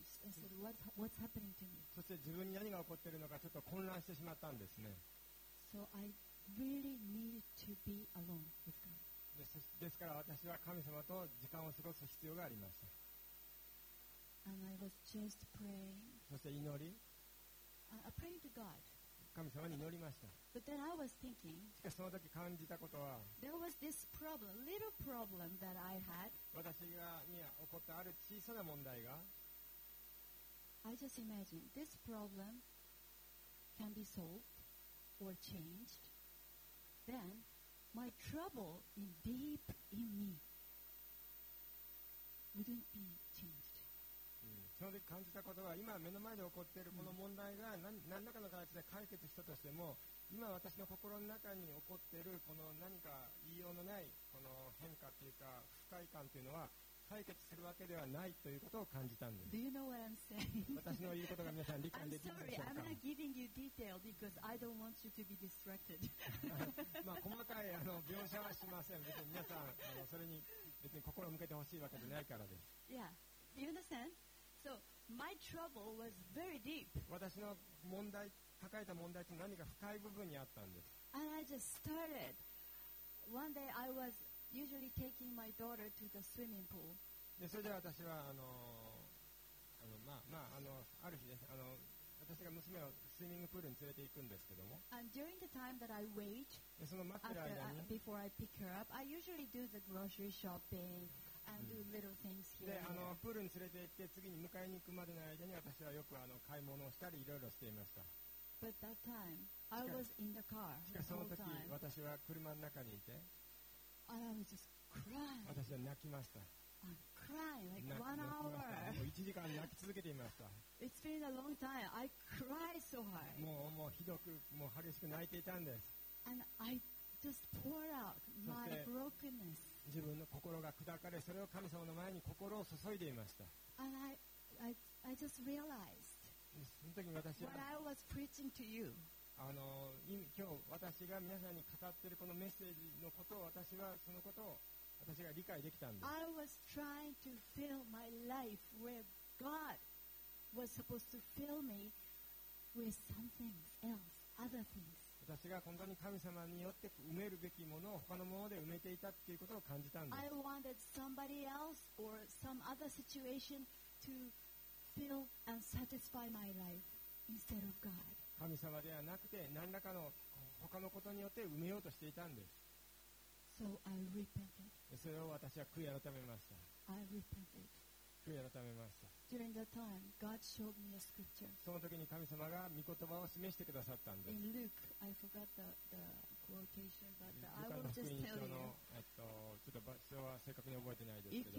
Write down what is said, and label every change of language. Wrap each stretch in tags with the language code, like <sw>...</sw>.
<ja>そして自分に何が起こっているのかちょっと混乱してしまったんですね。</ja> <en>So I really needed to be alone with God.</en> <ja>ですから私は神様と時間を過ごす必要がありました。</ja> <en>And I was just praying.</en> <ja>そして祈り。</ja> <en>I prayed to God.</en> <ja>神様に祈りました。</ja> <en>But then I was thinking,</en> <ja>しかしその時感じたことは</ja> <en>there was this problem, little problem that I had.</en> <ja>私が起こったある小さな問題が</ja> <en>I just imagine this problem can be solved or changed. Then my trouble in deep in me wouldn't be changed.</en> <ja>その時感じたことは今目の前で起こっているこの問題が 何らかの形で解決したとしても今私の心の中に起こっているこの何か言いようのないこの変化というか不快感というのは解決するわけではないということを感じたんです。</ja> <en>Do you know what I'm saying?</en> <ja>私の言うことが皆さん理解できるでしょうか?</ja> <en>I'm sorry, I'm not giving you detail because I don't want you to be distracted.</en> <ja>まあ細かいあの描写はしません。別に皆さんあのそれに別に心を向けてほしいわけじゃないからです。</ja> <en>Yeah, do you understand? So, my trouble was very deep.</en> <ja>私の問題抱えた問題って何か深い部分にあったんです。</ja> <en>And I just started. One day I was usually taking my daughter to the swimming pool.</en> <ja>でそれで私はある日です私が娘をスイミングプールに連れて行くんですけども。</ja> <en>And during the time that I wait,</en> <ja>その待ってる間に、</ja> <en>before I pick her up, I usually do the grocery shopping and do little things here.</en> <ja>で、プールに連れて行って次に迎えに行くまでの間に私はよく買い物をしたりいろいろしていました。</ja> <en>But that time, I was in the car.</en> <ja>しかしその時私は車の中にいて、</ja> <en>I was just crying.</en> <ja>私は泣きました。</ja> <en>I'm crying like one hour.</en> <ja>もう1時間泣き続けていました。</ja> <en>It's been a long time. I cried so hard.</en> <ja>もうひどく、もう激しく泣いていたんです。</ja> <en>And I just poured out my brokenness.</en> <ja>自分の心が砕かれ、それを神様の前に心を注いでいました。</ja> <en>And I just realized.</en> <ja>その時に私は、</ja> <en>What I was preaching to you.</en> <ja>今日私が皆さんに語っているこのメッセージのことを私はそのことを私が理解できたんです。</ja> <en>I was trying to fill my life where God was supposed to fill me with something else, other things.</en> <ja>私が本当に神様によって埋めるべきものを他のもので埋めていたっていうことを感じたんです。</ja> <en>I wanted somebody else or some other situation to fill and satisfy my life instead of God.</en> <ja>神様ではなくて何らかの他のことによって埋めようとしていたんです。</ja> <en>So I repented.</en> <ja>それを私は悔い改めました。</ja> <en>I repented.</en> <ja>悔い改めました。</ja> <en>During that time, God showed me a scripture.</en> <ja>その時に神様が御言葉を示してくださったんです。</ja> <en>In Luke, I forgot the quotation, but I will just tell you.</en> <ja>ちょっと場所は正確に覚えてないですけど。</ja>